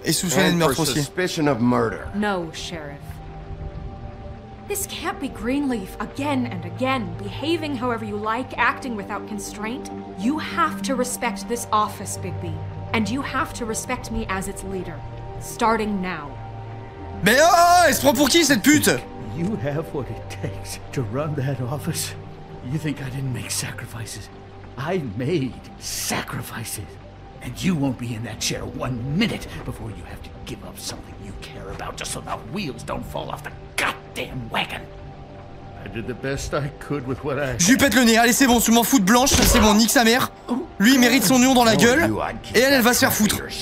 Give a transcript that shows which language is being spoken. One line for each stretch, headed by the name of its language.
English: And for suspicion of murder. No, Sheriff. This can't be Greenleaf again and again, behaving however you like, acting without constraint. You have to respect this office, Bigby. And you have to respect me as its leader. Starting now.
French: Mais oh, elle se prend pour qui cette pute?
English: You have what it takes to run that office. You think I didn't make sacrifices? I made sacrifices. And you won't be in that chair one minute before you have to give up something you care about just so the wheels don't fall off the goddamn wagon. I did the best I could with what I had.
French: Je lui pète le nez. Allez, c'est bon, je m'en fous de Blanche. C'est bon, nique sa mère. Lui, il mérite son nom dans la gueule. Et elle va se faire foutre.